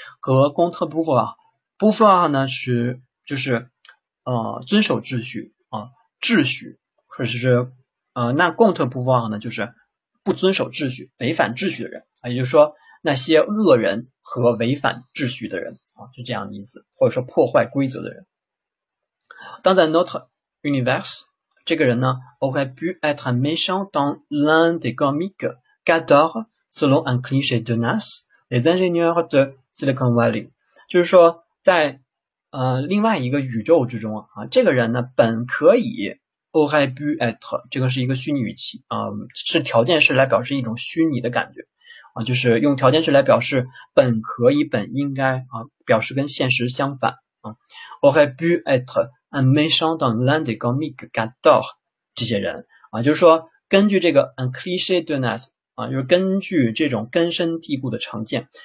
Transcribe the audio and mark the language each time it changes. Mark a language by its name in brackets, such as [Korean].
[Chinese] 和 [French] contre-pouvoir， [Chinese] pouvoir 呢是就是遵守秩序啊，秩序，或者是那 contre-pouvoir 呢就是。不遵守秩序、违反秩序的人啊，也就是说那些恶人和违反秩序的人啊，就这样的意思，或者说破坏规则的人。 [French] Dans un autre univers， [Chinese] 这个人呢， [French] aurait pu être méchant dans l'un des comics qu'adore, selon un cliché de NASA, les ingénieurs de Silicon Valley。 [Chinese] 就是说，在另外一个宇宙之中啊，这个人呢本可以。 [French] aurait pu être [Chinese] 这个是一个虚拟语气啊，是条件式来表示一种虚拟的感觉啊，就是用条件式来表示本可以、本应该啊，表示跟现实相反啊。 [French] aurait pu être un méchant dans l'un des comics qu'adore [Chinese] 这些人啊，就是说根据这个 [French] un cliché de NASA [Chinese] 啊，就是根据这种根深蒂固的成见。